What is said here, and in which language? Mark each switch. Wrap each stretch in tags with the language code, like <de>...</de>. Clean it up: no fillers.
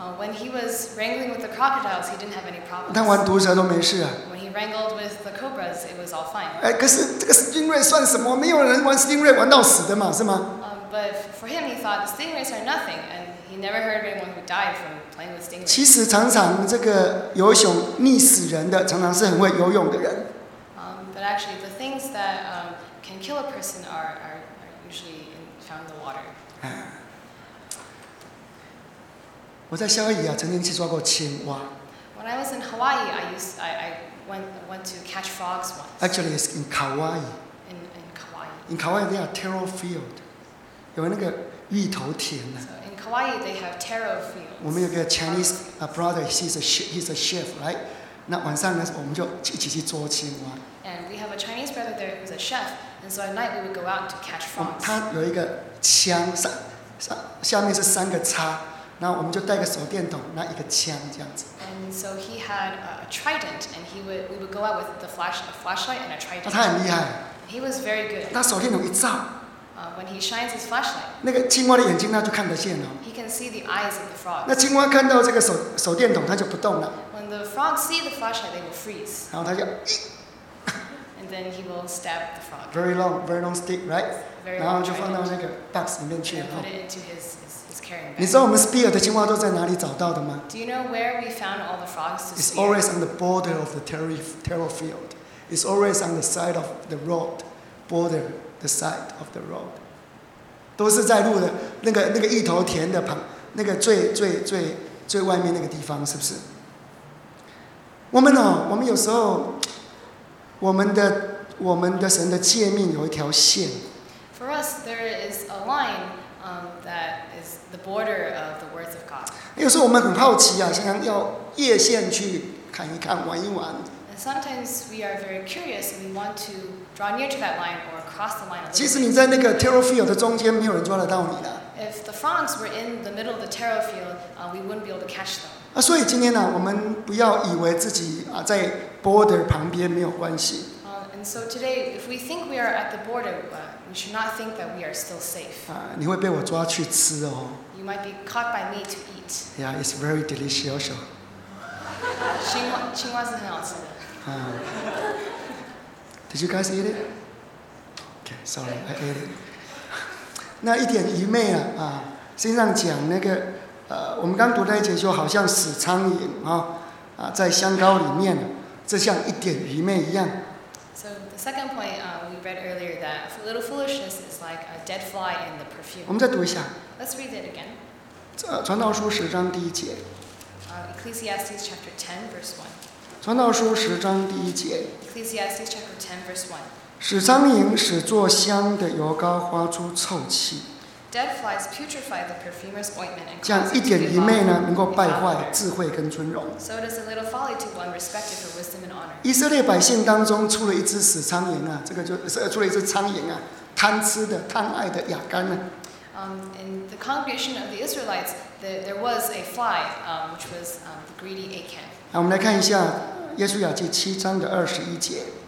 <en>When he was wrangling with the crocodiles, he didn't have any problems.</en> <zh>他玩毒蛇都没事啊。</zh> <en>When he wrangled with the cobras, it was all fine.</en> <zh>哎，可是这个 stingray 算什么？没有人玩 stingray 玩到死的嘛，是吗？</zh> <en>But for him, he thought the stingrays are nothing, and he never heard of anyone who died from.</en> <zh>其实常常这个游泳溺死人的，常常是很会游泳的人。</zh> <en>But actually, the things that can kill a person are usually found in the water.</en> <zh>我在夏威夷啊，曾经去抓过青蛙。</zh> <en>When I was in Hawaii, I went to catch frogs once. Actually, it's in Kauai. In Kauai. In Kauai, they have taro field.</en> <zh>有那个芋头田呢。</zh> <en>Hawaii, they have taro fields.</en> <zh>我们有个</zh> <en>Chinese brother, he's a chef, right?</en> <zh>那晚上呢，我们就一起去捉青蛙。</zh> <en>And we have a Chinese brother there who's a chef, and so at night we would go out to catch frogs.</en> <zh>他有一个枪，下面是三个叉，然后我们就带个手电筒，拿一个枪这样子。</zh> <en>And so he had a trident, and we would go out with a flashlight and a trident.</en> <zh>他很厉害。</zh> <en>He was very good.</en> <zh>他手电筒一照。</zh> <en>When he shines his flashlight,</en> <zh>那个青蛙的眼睛那就看得见了。</zh> <en>He can see the eyes of the frog.</en> <zh>那青蛙看到这个手电筒，它就不动了。</zh> <en>When the frog see the flashlight, they will freeze.</en> <zh>然后它就。</zh> <en>And then he will stab the frog. Very long stick, right? Very</en> <zh>然后就放到那个 box 里面去了。</zh> <en>Put it into his carrying bag.</en> <zh>你知道我们 spear 的青蛙都在哪里找到的吗</zh> <en>？Do you know where we found all the frogs to spear? It's always on the border of the taro field. It's always on the side of the road border. The side of the road,</en> <zh>都是在路的那个芋头田的旁，那个最外面那个地方，是不是？我们有时候，我们的神的诫命有一条线。</zh> <en>For us, there is a line that is the border of the words of God.</en> <zh>有时候我们很好奇啊，想要越线去看一看，玩一玩。</zh> <en>Sometimes we are very curious and we want to draw near to that line or cross the line.</en> <zh>其实你在那个 taro field 的中间，没有人抓得到你的。</zh> <en>If the frogs were in the middle of the taro field, we wouldn't be able to catch them.</en> <zh>所以今天呢，我们不要以为自己在 border 旁边没有关系。</zh> <en>And so today, if we think we are at the border, we should not think that we are still safe.</en> <zh>你会被我抓去吃哦。</zh> <en>You might be caught by me to eat. Yeah, it's very delicious.</en> <zh>青蛙是很好吃的。</zh> <en>Did you guys eat it? Okay, sorry, I ate it.</en> <zh>那一点愚昧啊，啊，身上讲那个，我们刚读那一节说，好像死苍蝇啊，啊，在香膏里面，这像一点愚昧一样。</zh> <en>So the second point, we read earlier that a little foolishness is like a dead fly in the perfume.</en> <zh>我们再读一下。</zh> <en>Let's read it again.</en> <zh>传道书十章第一节。</zh> <en>Ecclesiastes chapter 10 verse 1.</en> <zh>传道书十章第一节。</zh> <en>Ecclesiastes chapter 10 verse 1.</en> <zh>使苍蝇使做香的油膏发出臭气。</zh> <en>Dead flies putrefy the perfumer's ointment.</en> <zh>这样一点愚昧呢，能够败坏智慧跟尊荣。</zh> <en>So does a little folly to one respected for wisdom and honor.</en> <zh>以色列百姓当中出了一只死苍蝇啊，这个就是出了一只苍蝇啊，贪吃的、贪爱的亚干呢。</zh> <en>In the congregation of the Israelites, there was a fly, which was the greedy Achan.</en> <zh>我们来看一下耶稣雅记七章的二十一节。</zh>